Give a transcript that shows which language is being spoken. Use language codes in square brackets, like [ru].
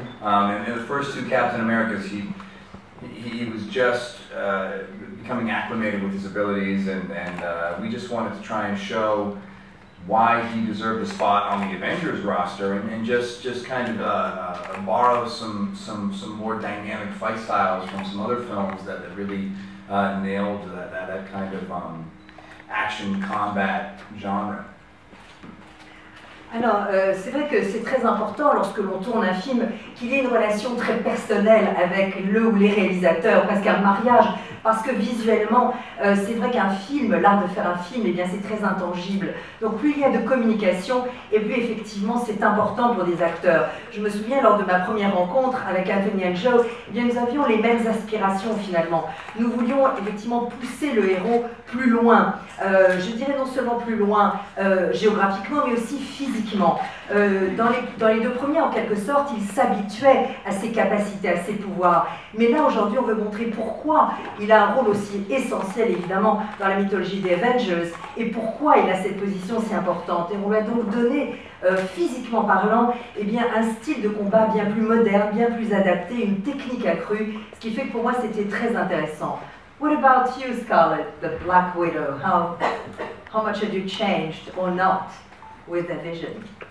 [en] And the first two Captain Americas, he was just becoming acclimated with his abilities, and we just wanted to try and show why he deserved a spot on the Avengers roster, and borrow some more dynamic fight styles from some other films that really nailed that kind of action combat genre. [fr] Alors, c'est vrai que c'est très important lorsque l'on tourne un film qu'il y ait une relation très personnelle avec le ou les réalisateurs, presque un mariage, parce que visuellement, c'est vrai qu'un film, l'art de faire un film, eh bien, c'est très intangible. Donc plus il y a de communication, et plus effectivement c'est important pour des acteurs. Je me souviens lors de ma première rencontre avec Anthony Angelo, eh bien, nous avions les mêmes aspirations finalement. Nous voulions effectivement pousser le héros plus loin, je dirais non seulement plus loin géographiquement, mais aussi physiquement. Dans les deux premiers, en quelque sorte, il s'habituait à ses capacités, à ses pouvoirs. Mais là, aujourd'hui, on veut montrer pourquoi il a un rôle aussi essentiel, évidemment, dans la mythologie des Avengers, et pourquoi il a cette position si importante. Et on lui a donc donné, physiquement parlant, eh bien, un style de combat bien plus moderne, bien plus adapté, une technique accrue, ce qui fait que pour moi, c'était très intéressant. [en] What about you, Scarlett, the Black Widow? How much have you changed or not with the Vision?